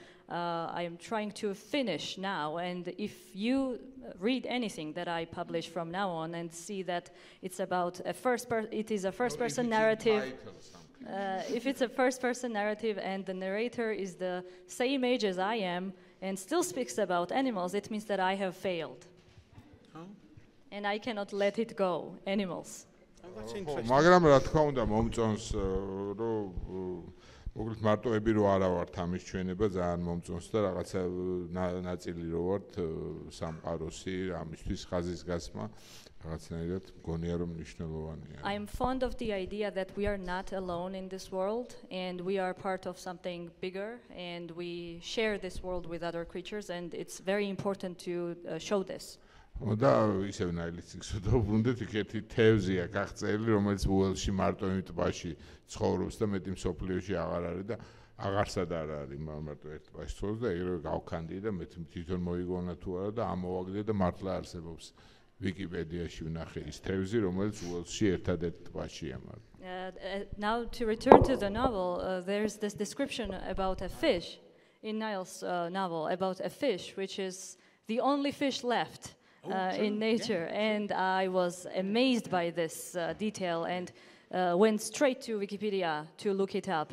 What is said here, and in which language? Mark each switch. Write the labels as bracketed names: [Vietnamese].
[English] I am trying to finish now, and if you read anything that I publish from now on and see that it's about a first person, it is a first person narrative. If it's a first person narrative and the narrator is the same age as I am and still speaks about animals, it means that I have failed. Huh? And I cannot let it go, animals. [Georgian] მაგრამ რა თქმა უნდა მომწონს რომ მოკლედ მარტოები რო არა ვართ ამის ჩვენება ძალიან მომწონს და რაღაცა ნაწილი რო ვართ სამყაროსი ამისთვის ხაზის გასმა რაღაცნაირად მგონია რომ მნიშვნელოვანია. [English] I am fond of the idea that we are not alone in this world and we are part of something bigger and we share this world with other creatures and it's very important to show this. [Georgian] და ისევ ნაილის ციკლში დაუბრუნდეთ, იქ ერთი თევზია გაღწელი, რომელიც უელსში მარტოები ტბაში ცხოვრობს და მეტი მსოფლიოში აღარ არის და აღარსა და არ არის მარტო ერთ ტბაში ცხოვრობს და ეგრევე გავქანდი და მე თვითონ მოიგონა თუ არა და ამოვაგდე და მართლა არსებობს ვიკიპედიაში ვნახე ის თევზი, რომელიც უელსში ერთადერთ ტბაშია მარტო. [English] Now to return to the novel, there's this description about a fish in Niall's novel, about a fish which is the only fish left. In nature, yeah. And I was amazed by this detail and went straight to Wikipedia to look it up.